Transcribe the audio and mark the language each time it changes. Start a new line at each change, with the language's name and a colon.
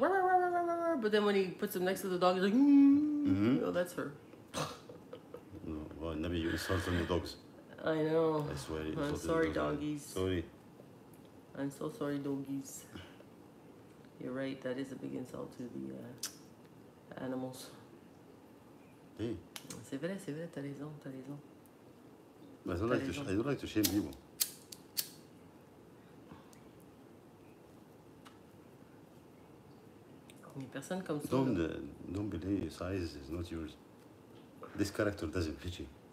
English: But then when he puts him next to the dog, he's like, oh, that's her. No, well, maybe you insult on the dogs. I know. I swear. I'm sorry, doggies. Sorry. I'm so sorry, doggies. You're right, that is a big insult to the animals. Hey.
French: C'est vrai, t'as raison, t'as raison.
English: I don't like to shame people. Yeah, I know. Yeah. Don't believe your size is not yours. This character doesn't fit you.